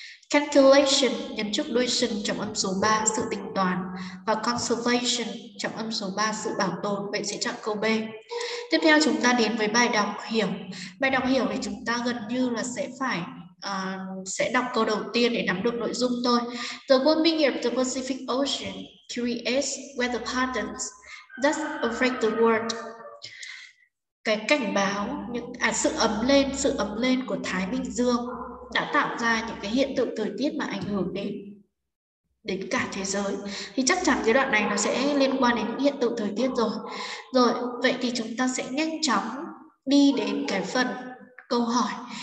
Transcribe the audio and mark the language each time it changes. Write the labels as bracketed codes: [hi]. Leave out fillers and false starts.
[vi] Calculation, nhấn trước đuôi sin, trọng âm số 3, sự tính toán. Và conservation, trọng âm số 3, sự bảo tồn. Vậy sẽ chọn câu B. Tiếp theo chúng ta đến với bài đọc hiểu. Bài đọc hiểu thì chúng ta gần như là sẽ phải sẽ đọc câu đầu tiên để nắm được nội dung thôi. [en] The warming of the Pacific Ocean creates weather patterns that affect the world. [vi] Cái cảnh báo những sự ấm lên của Thái Bình Dương đã tạo ra những cái hiện tượng thời tiết mà ảnh hưởng đến cả thế giới. Thì chắc chắn cái đoạn này nó sẽ liên quan đến những hiện tượng thời tiết rồi. Rồi, vậy thì chúng ta sẽ nhanh chóng đi đến cái phần câu hỏi.